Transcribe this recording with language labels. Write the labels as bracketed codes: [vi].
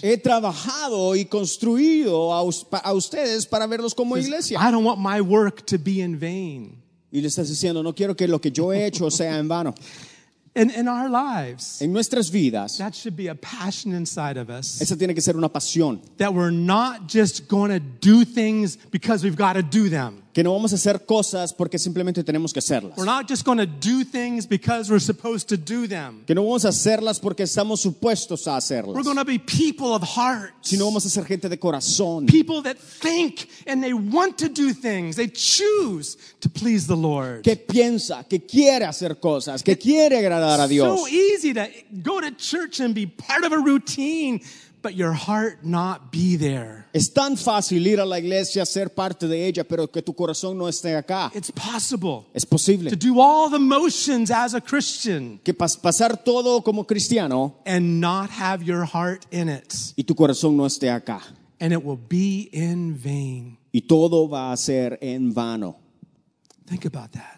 [es] He trabajado y construido a ustedes para verlos como iglesia. [en] I don't want my work to be in vain. [es] Y le estás diciendo, no quiero que lo que yo he hecho sea en vano. [en] In our lives, [es] en nuestras vidas, [en] that should be a passion inside of us. [es] Esa tiene que ser una pasión. [en] That we're not just going to do things because we've got to do them. [es] Que no vamos a hacer cosas porque simplemente tenemos que hacerlas. [en] We're not just going to do things because we're supposed to do them. [es] Que no vamos a hacerlas porque estamos supuestos a hacerlas. [en] We're going to be people of heart. [es] Sino vamos a ser gente de corazón. [en] People that think and they want to do things. They choose to please the Lord. [es] Que piensa, que quiere hacer cosas, que quiere agradar a Dios. [en] It's so easy to go to church and be part of a routine. But your heart not be there. [es] Es tan fácil ir a la iglesia, ser parte de ella, pero que tu corazón no esté acá. [en] It's possible. [es] Es posible. [en] To do all the motions as a Christian. [es] Que pasar todo como cristiano. [en] And not have your heart in it. [es] Y tu corazón no esté acá. [en] And it will be in vain. [es] Y todo va a ser en vano. [en] Think about that.